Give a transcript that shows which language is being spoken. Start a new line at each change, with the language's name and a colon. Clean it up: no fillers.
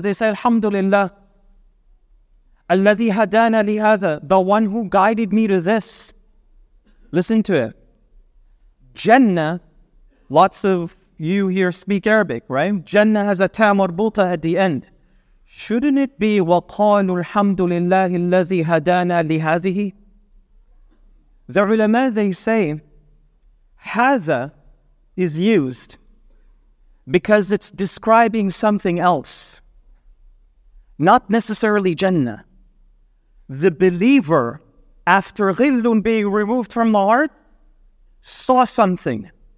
English: They say, Alhamdulillah.
Arabic: الَّذِي هَدَانَ لِهَذَا,
English: the one who guided me to this. Listen to it. Jannah, lots of you here speak Arabic, right? Jannah has a ta marbuta at the end. Shouldn't it be
Arabic: وَقَالُوا الْحَمْدُ لِلَّهِ الَّذِي هَدَانَ لِهَذِهِ?
English: The ulama, they say, هَذَا, is used because it's describing something else, not necessarily Jannah. The believer, after ghillun being removed from the heart, saw something.